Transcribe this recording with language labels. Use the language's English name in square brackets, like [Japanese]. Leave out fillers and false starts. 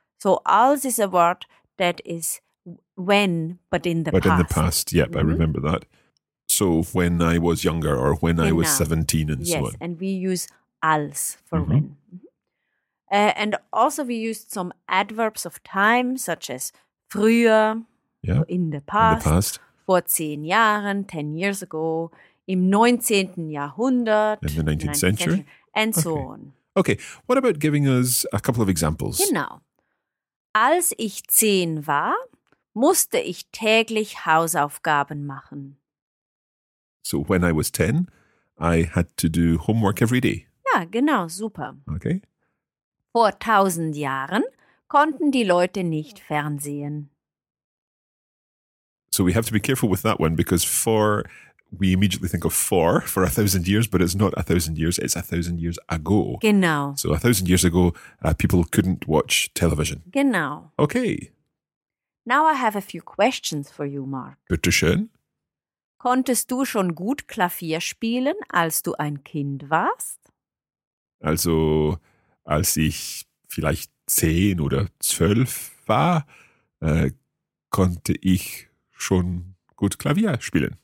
[English] So als is a word that is when, but in the past. But in the past, yep, mm-hmm. I remember that. So when I was younger or when I was 17 and yes, so on. Yes, and we use als for mm-hmm. when. And also we used some adverbs of time, such as früher, yeah. in the past, [German] vor 10 Jahren, [English] 10 years ago, [German] im 19. Jahrhundert, [English] in the 19th century, and so on. Okay, what about giving us a couple of examples? [German] Genau. Als ich 10 war, musste ich täglich Hausaufgaben machen. [English] So when I was 10, I had to do homework every day. [German] Ja, genau, super. [English] Okay. [German] Vor 1000 Jahren konnten die Leute nicht fernsehen. [English] So we have to be careful with that one because for, we immediately think of for 1000 years, but it's not 1000 years, it's 1000 years ago. [German] Genau. [English] So 1000 years ago, people couldn't watch television. [German] Genau. [English] Okay. Now I have a few questions for you, Mark. [German] Bitte schön. Konntest du schon gut Klavier spielen, als du ein Kind warst? Also, als ich vielleicht 10 oder 12 war, konnte ich schon gut Klavier spielen.